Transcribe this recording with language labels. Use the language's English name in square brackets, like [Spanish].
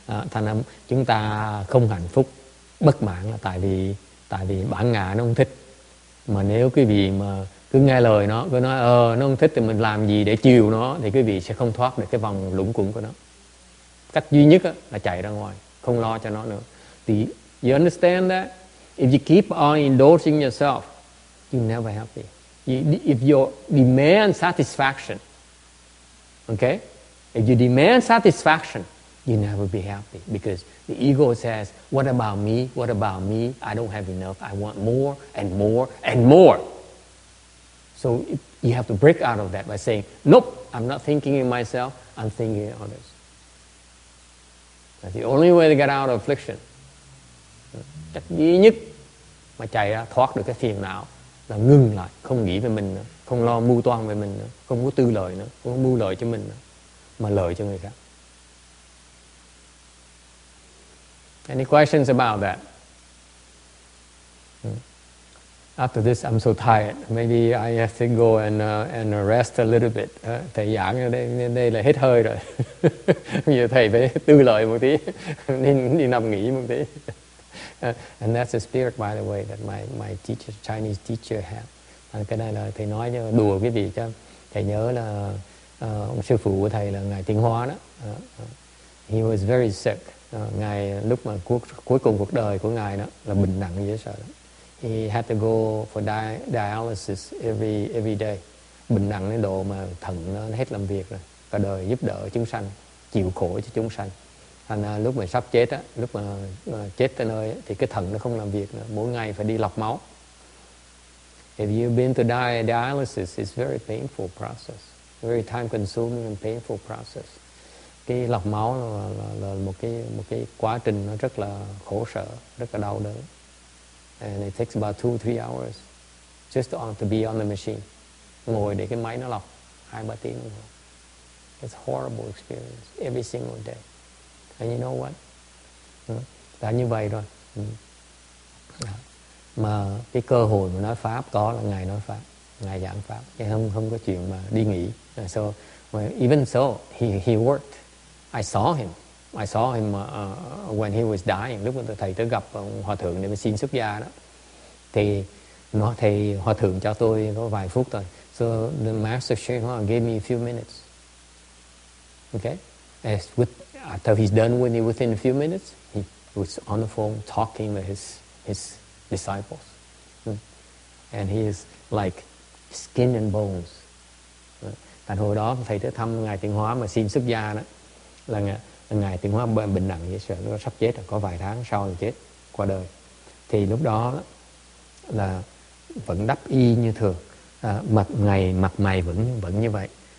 [Vietnamese] Thành ra chúng ta không hạnh phúc, bất mãn là tại vì bản ngã nó không thích. Mà nếu quý vị mà cứ nghe lời nó, cứ nói nó không thích thì mình làm gì để chiều nó, thì quý vị sẽ không thoát được cái vòng lũng quẩn của nó. Cách duy nhất là chạy ra ngoài, không lo cho nó nữa. [English] Thì you understand that? If you keep on indulging yourself, you're never happy. If you demand satisfaction, okay? If you demand satisfaction, you never be happy because the ego says, what about me? What about me? I don't have enough. I want more and more and more. So you have to break out of that by saying, nope, I'm not thinking of myself. I'm thinking of others. That's the only way to get out of affliction. [Vietnamese] Cách duy nhất mà chạy ra thoát được cái phiền não là ngừng lại, không nghĩ về mình nữa, không lo mưu toan về mình nữa, không có tư lợi nữa, không có mưu lợi cho mình nữa, mà lợi cho người khác. [English] Any questions about that? After this, I'm so tired. Maybe I have to go and rest a little bit. [Vietnamese] Thầy giảng ở đây là hết hơi rồi. Bây giờ thầy phải tư lợi một tí, đi nằm nghỉ một tí. [English] And that's the spirit, by the way, that my teacher, Chinese teacher, had. [Vietnamese] Cái này là thầy nói cho đùa cái gì cho thầy nhớ là ông sư phụ của thầy là ngài Tiến Hóa đó. [English] He was very sick. [Vietnamese] Ngài lúc mà cuối cùng cuộc đời của ngài đó là bệnh nặng dễ sợ. [English] He had to go for dialysis every day. [Vietnamese] Bệnh nặng đến độ mà thận nó hết làm việc rồi. Cả đời giúp đỡ chúng sanh, chịu khổ cho chúng sanh. Thành lúc mà sắp chết á, lúc mà chết tới nơi thì cái thận nó không làm việc nữa. Mỗi ngày phải đi lọc máu. [English] If you've been to dialysis, it's very painful process. Very time consuming and painful process. [Vietnamese] Cái lọc máu là một cái quá trình nó rất là khổ sở, rất là đau đớn. [English] And it takes about 2-3 hours just to be on the machine. [Vietnamese] Ngồi để cái máy nó lọc 2-3 tiếng đồng hồ. [English] It's a horrible experience every single day. And you know what? [Vietnamese] Đã như vậy rồi. Mà cái cơ hội mà nói Pháp có là Ngài nói Pháp, Ngài giảng Pháp. Chứ không có chuyện mà đi nghỉ. [English] So, well, even so, he worked. I saw him when he was dying. [Vietnamese] Lúc mà thầy tới gặp hòa thượng để mà xin xuất gia đó, thì nó thầy hòa thượng cho tôi có vài phút thôi. [English] So the master Shenhua gave me a few minutes. Okay, as with after he's done with it within a few minutes, he was on the phone talking with his disciples, and he is like skin and bones. [Vietnamese] Tại hồi đó thầy tới thăm ngài Tịnh Hóa mà xin xuất gia đó là ngài Tịnh Hóa bệnh nặng vậy, sợ nó sắp chết, có vài tháng sau thì chết qua đời. Thì lúc đó là vẫn đắp y như thường, mặt ngày mặt mày vẫn như vậy.